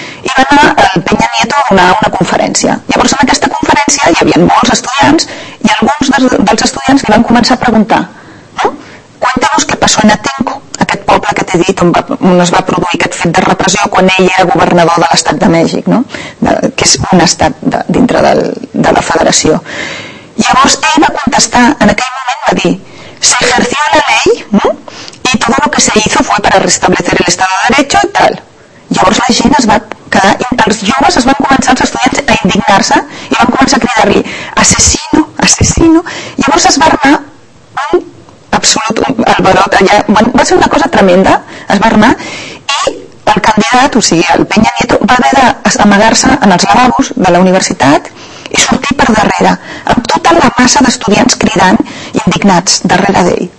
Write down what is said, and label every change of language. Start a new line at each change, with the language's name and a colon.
Catalan: I va anar el Peña Nieto a donar una conferència. Llavors en aquesta conferència hi havia molts estudiants i alguns dels estudiants li van començar a preguntar, no?,
Spanish: cuéntanos qué pasó en Atenco,
Catalan: aquest poble que t'he dit on es va produir aquest fet de repressió quan ell era governador de l'estat de Mèxic, no?, que és un estat dintre de la federació. Llavors ell va contestar, en aquell moment va dir,
Spanish: se ejerció la ley, no?, y todo lo que se hizo fue para restablecer el estado de derecho y tal.
Catalan: Llavors la gent es va quedar, els joves es van començar, els estudiants, a indignar-se i van començar a cridar-li assassino, assassino. Llavors es va armar un absolut alborot allà, va ser una cosa tremenda, es va armar, i el candidat, o sigui el Peña Nieto, va haver d'amagar-se en els lavabos de la universitat i sortir per darrere amb tota la massa d'estudiants cridant indignats darrere d'ell.